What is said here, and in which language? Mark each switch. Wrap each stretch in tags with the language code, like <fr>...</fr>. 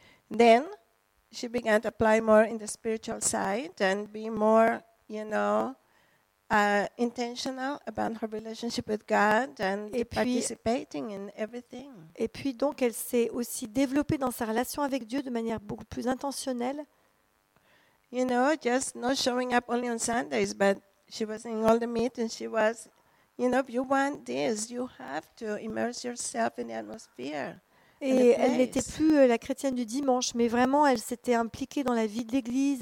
<en>Then she began to apply more in the spiritual side and be more, you know, intentional about her relationship with God and</en> <fr>et puis,</fr> <en>participating in everything.</en> <fr>Et puis donc elle s'est aussi développée dans sa relation avec Dieu de manière beaucoup plus intentionnelle.</fr> <en>You know, just not showing up only on Sundays, but she was in all the meetings. She was, you know, if you want this, you have to immerse yourself in the atmosphere.</en> <fr>Et elle n'était plus la chrétienne du dimanche, mais vraiment, elle s'était impliquée dans la vie de l'église.</fr>